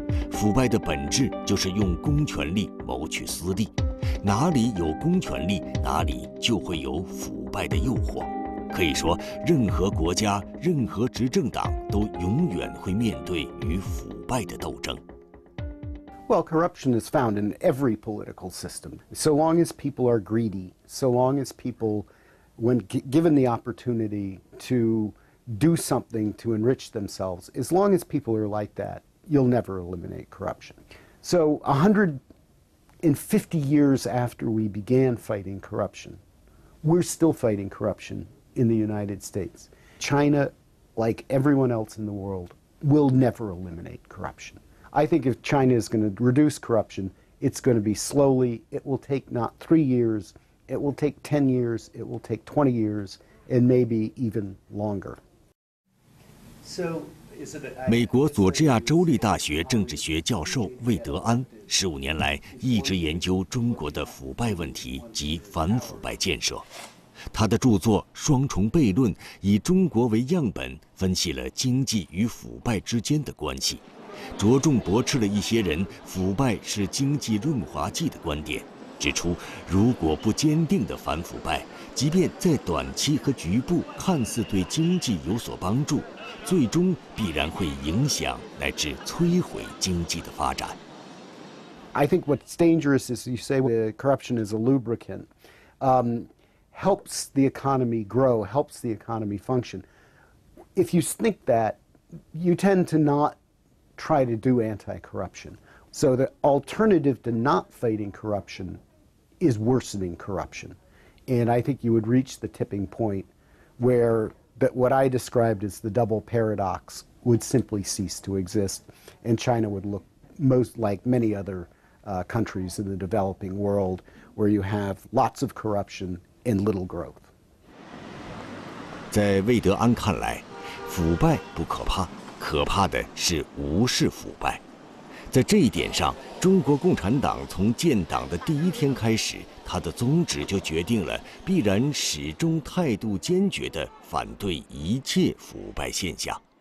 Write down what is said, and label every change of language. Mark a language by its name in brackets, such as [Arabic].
[Chinese] 腐败的本质就是用公权力谋取私利，哪里有公权力，哪里就会有腐败的诱惑。可以说，任何国家、任何执政党都永远会面对与腐败的斗争。 [English] Well, corruption is found in every political system. So long as people are greedy, so long as people, when given the opportunity to do something to enrich themselves, as long as people are like that, you'll never eliminate corruption. So 150 years after we began fighting corruption, we're still fighting corruption in the United States. China, like everyone else in the world, will never eliminate corruption. I think if China is going to reduce corruption, it's going to be slowly. It will take not 3 years, it will take 10 years, it will take 20 years, and maybe even longer. [Chinese] So, 美国佐治亚州立大学政治学教授魏德安15年来一直研究中国的腐败问题及反腐败建设。他的著作《双重悖论》以中国为样本，分析了经济与腐败之间的关系。着重驳斥了一些人腐败是经济润滑剂的观点，指出如果不坚定地反腐败，即便在短期和局部看似对经济有所帮助，最终必然会影响乃至摧毁经济的发展。 [English] I think what's dangerous is you say the corruption is a lubricant, helps the economy grow, helps the economy function. If you think that, you tend to not. Try to do anti-corruption. So the alternative to not fighting corruption is worsening corruption. And I think you would reach the tipping point where that what I described as the double paradox would simply cease to exist, and China would look most like many other countries in the developing world where you have lots of corruption and little growth. [Chinese] 在魏德安看来，腐败不可怕。可怕的是无视腐败，在这一点上，中国共产党从建党的第一天开始，他的宗旨就决定了必然始终态度坚决地反对一切腐败现象。